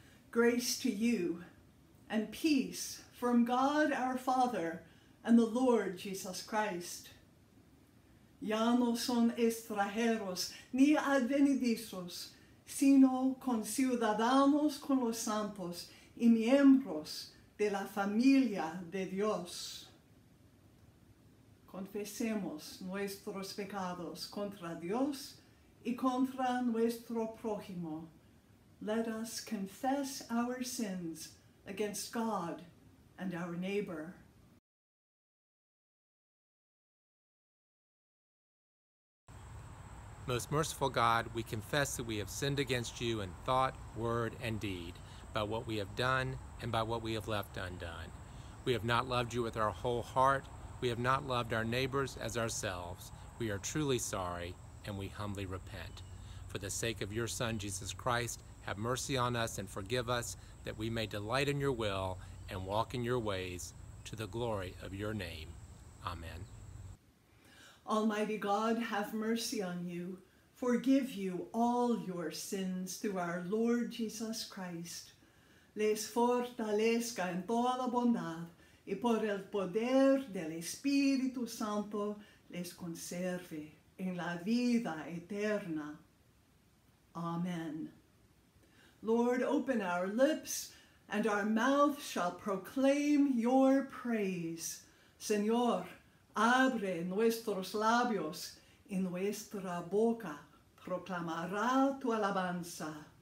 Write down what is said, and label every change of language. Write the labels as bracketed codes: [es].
[en] grace to you and peace from God our Father and the Lord Jesus Christ. [es] Ya no son extranjeros ni advenedizos, sino conciudadanos con los santos y miembros de la familia de Dios. Confesemos nuestros pecados contra Dios y contra nuestro prójimo. [en] Let us confess our sins against God and our neighbor. Most merciful God, we confess that we have sinned against you in thought, word, and deed, by what we have done and by what we have left undone. We have not loved you with our whole heart. We have not loved our neighbors as ourselves. We are truly sorry, and we humbly repent. For the sake of your Son, Jesus Christ, have mercy on us and forgive us, that we may delight in your will and walk in your ways, to the glory of your name. Amen. Almighty God, have mercy on you, forgive you all your sins through our Lord Jesus Christ. [es] Les fortalezca en toda bondad, y por el poder del Espíritu Santo les conserve en la vida eterna. Amen. [en] Lord, open our lips, and our mouth shall proclaim your praise. [es] Señor, abre nuestros labios, y nuestra boca proclamará tu alabanza.